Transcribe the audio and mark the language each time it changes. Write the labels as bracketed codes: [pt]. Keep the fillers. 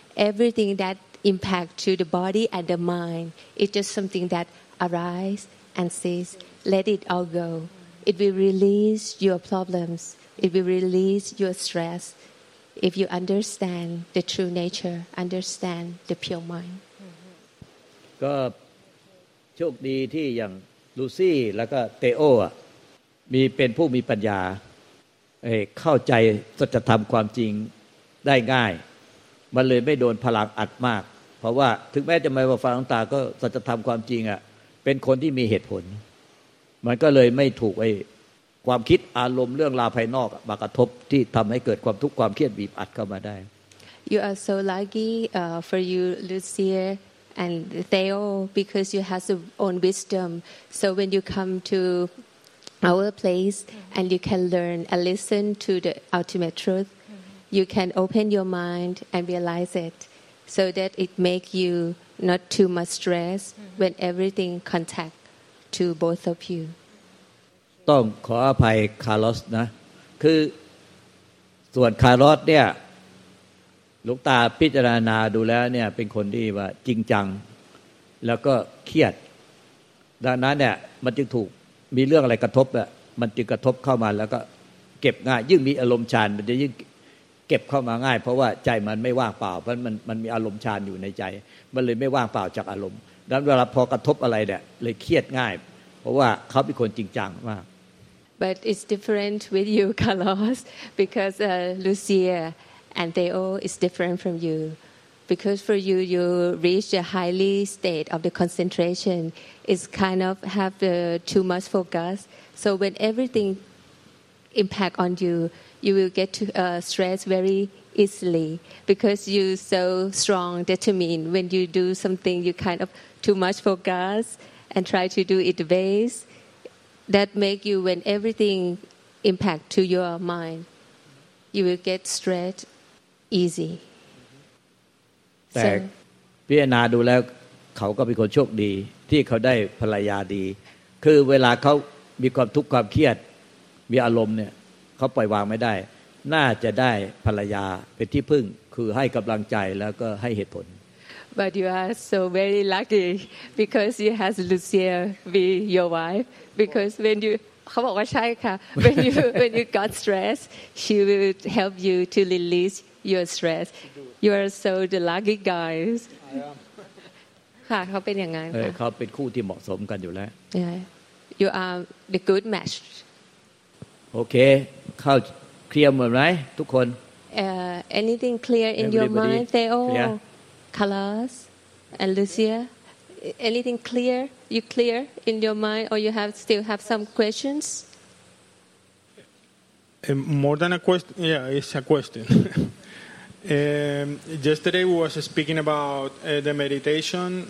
[en] Everything that impact to the body and the mind is just something that arise and cease. Let it all go. It will release your problems. It will release your stress if you understand the true nature, understand the pure mind. [th] ก็โชคดีที่อย่างลูซี่แล้วก็เตโออะมีเป็นผู้มีปัญญาเอ่อเข้าใจสัจธรรมความจริงได้ง่าย มันเลยไม่โดนพลังอัดมาก เพราะว่าถึงแม้จะไม่มาฟังหลวงตาก็สัจธรรมความจริงอะเป็นคนที่มีเหตุผล มันก็เลยไม่ถูกไอ้ความคิดอารมณ์เรื่องราวภายนอกอะมากระทบที่ทำให้เกิดความทุกข์ความเครียดบีบอัดเข้ามาได้ [en] You are so lucky uh, for you, Lucia and Theo, because you have your own wisdom. So when you come to our place and you can learn and listen to the ultimate truth, you can open your mind and realize it, so that it make you not too much stress when everything contact to both of you. [th] ต้องขออภัยคาร์ลอสนะ คือส่วนคาร์ลอสเนี่ยหลูกตาพิจารณาดูแล้วเนี่ยเป็นคนที่ว่าจริงจัง แล้วก็เครียด ดังนั้นเนี่ยมันจึงถูกมีเรื่องอะไรกระทบอะมันจึงกระทบเข้ามาแล้วก็เก็บง่าย ยิ่งมีอารมณ์ฌานมันจะยิ่งเก็บเข้ามาง่าย เพราะว่าใจมันไม่ว่างเปล่า เพราะมันมันมีอารมณ์ฌานอยู่ในใจ มันเลยไม่ว่างเปล่าจากอารมณ์ดังนั้นเวลาพอกระทบอะไรเนี่ยเลยเครียดง่าย เพราะว่าเขาเป็นคนจริงจังมาก [en] But it's different with you, Carlos, because uh, Lucia and Theo is different from you. Because for you, you reach a highly state of the concentration. It's kind of have the too much focus. So when everything impact on you, you will get to, uh, stress very easily because you so strong determined. When you do something, you kind of too much focus and try to do it base that make you when everything impact to your mind you will get stressed easy [th] แต่พิจารณาดูแล้วเขาก็เป็นคนโชคดีที่เขาได้ภรรยาดี คือเวลาเขามีความทุกข์ความเครียด มีอารมณ์เนี่ยเขาปล่อยวางไม่ได้ น่าจะได้ภรรยาเป็นที่พึ่งคือให้กำลังใจแล้วก็ให้เหตุผล [en] but you are so very lucky because you has Lucia be your wife because when you [th] เขาบอกว่าใช่ค่ะ [en] when you when you got stress she will help you to release your stress you are so the lucky guys [th] ค่ะเขาเป็นอย่างนั้น เออ ค่ะ เขาเป็นคู่ที่เหมาะสมกันอยู่แล้ว [en] yeah you are the good match [th] โอเค เข้าเคลียร์หมดไหมทุกคน [en] uh, anything clear in your Everybody mind, Theo, clear? Carlos, and Lucia? Anything clear? You clear in your mind, or you have still have some questions? Um, more than a question, yeah, it's a question. um, yesterday we was speaking about uh, the meditation.